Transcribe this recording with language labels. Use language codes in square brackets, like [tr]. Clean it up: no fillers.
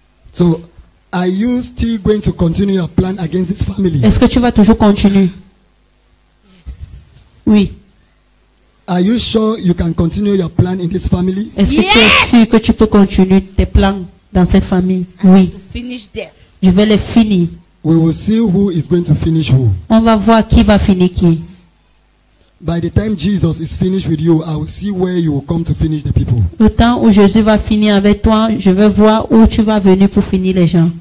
[en] So, are you still going to continue your plan against this family? [fr] Est-ce que tu vas toujours continuer? [en] Yes. [fr] Oui. [en] Are you sure you can continue your plan in this family? [fr] Est-ce que tu es sûr que tu peux continuer tes plans dans cette famille? Oui. [en] Finish them. [fr] Je vais les finir. [en] We will see who is going to finish who. [fr] On va voir qui va finir qui. [en] By the time Jesus is finished with you, I will see where you will come to finish the people. [fr] Le temps où Jésus va finir avec toi, je vais voir où tu vas venir pour finir les gens.